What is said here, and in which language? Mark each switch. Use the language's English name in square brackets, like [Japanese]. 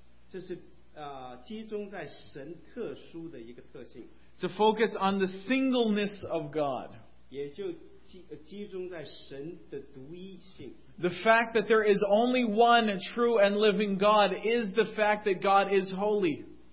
[Chinese] 这是集中在神特殊的一个特性。 [English] It's a focus on the singleness of God. [Chinese] 也就集中在神的独一性。 [English] The fact that there is only one true and living God is the fact that God is holy.